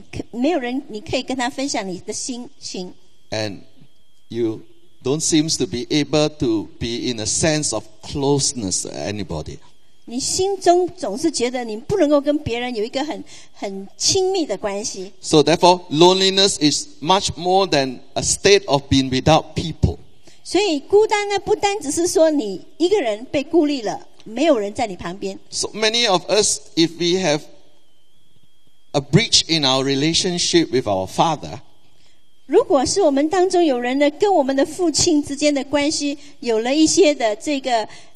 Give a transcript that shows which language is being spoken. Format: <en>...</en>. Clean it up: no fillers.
<zh>没有人你可以跟他分享你的心情。</zh> <en>And you don't seem to be able to be in a sense of closeness to anybody.</en> <zh>你心中总是觉得你不能够跟别人有一个很亲密的关系。</zh> <en>So therefore, loneliness is much more than a state of being without people.</en> <zh>所以孤单呢，不单只是说你一个人被孤立了，没有人在你旁边。</zh> <en>So many of us, if we have a breach in our relationship with our father,</en> <zh>如果是我们当中有人呢，跟我们的父亲之间的关系有了一些的这个</zh>